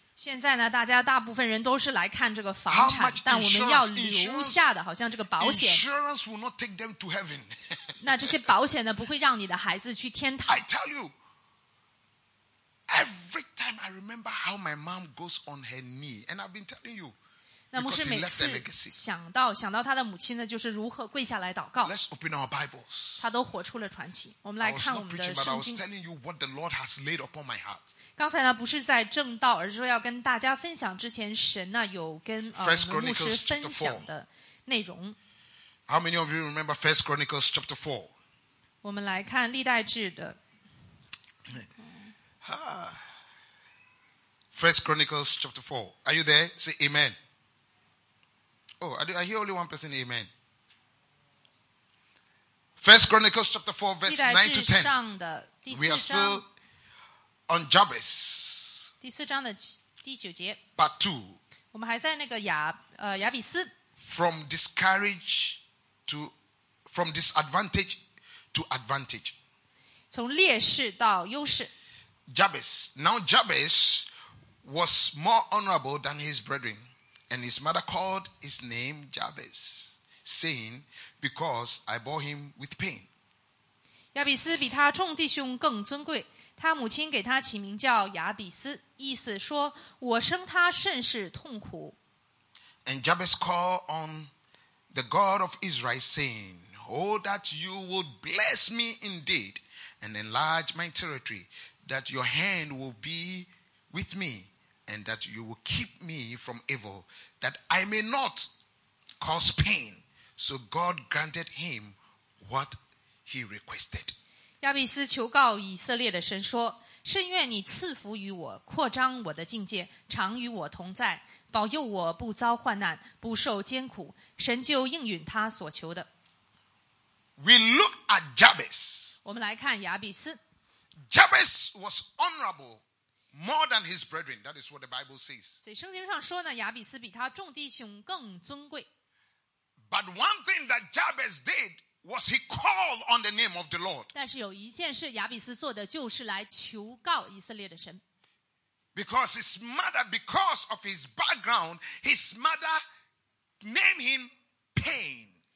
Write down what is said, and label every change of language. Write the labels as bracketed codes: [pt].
[zh] 现在呢，大家大部分人都是来看这个房产，但我们要留下的，好像这个保险。 [en] Insurance will not take them to heaven. [zh] 那这些保险呢，不会让你的孩子去天堂。 [en] I tell you, every time I remember how my mom goes on her knee, and I've been telling you, [zh] 那牧师每次想到他的母亲呢，就是如何跪下来祷告。 [en] Let's open our Bibles. [zh] 他都活出了传奇。我们来看我们的圣经。 [en] I was not preaching, but I was telling you what the Lord has laid upon my heart. [zh] 刚才呢，不是在正道，而是说要跟大家分享之前，神呢有跟牧师分享的内容。 [en] How many of you remember First Chronicles chapter 4? [zh] 我们来看历代志的。 [en] First Chronicles chapter 4. Are you there? Say Amen. Oh, I hear only one person. Amen. First Chronicles chapter 4, verse 9 to 10. We are still on Jabez. [zh] 第四章的第九节 [en] Part 2. [zh] 我们还在那个亚比斯。 [en] From discourage to, from disadvantage to advantage. [zh] 从劣势到优势。 [en] Jabez. Now Jabez was more honorable than his brethren, and his mother called his name Jabez, saying, because I bore him with pain. [zh] 亚比斯比他众弟兄更尊贵，他母亲给他起名叫亚比斯，意思说我生他甚是痛苦。 [en] And Jabez called on the God of Israel, saying, Oh, that you would bless me indeed, and enlarge my territory, that your hand will be with me, and that you will keep me from evil, that I may not cause pain. So God granted him what he requested. [zh] 亚比斯求告以色列的神说，甚愿你赐福于我，扩张我的境界，常与我同在，保佑我不遭患难，不受艰苦，神就应允他所求的。 [en] We look at Jabez. [zh] 我们来看亚比斯。 [en] Jabez was honorable more than his brethren. That is what the Bible says. [zh] 所以圣经上说呢，亚比斯比他众弟兄更尊贵。 [en] But one thing that Jabez did was he called on the name of the Lord. [zh] 但是有一件事亚比斯做的，就是来求告以色列的神。 [en] Because his mother, because of his background, his mother named him Pain.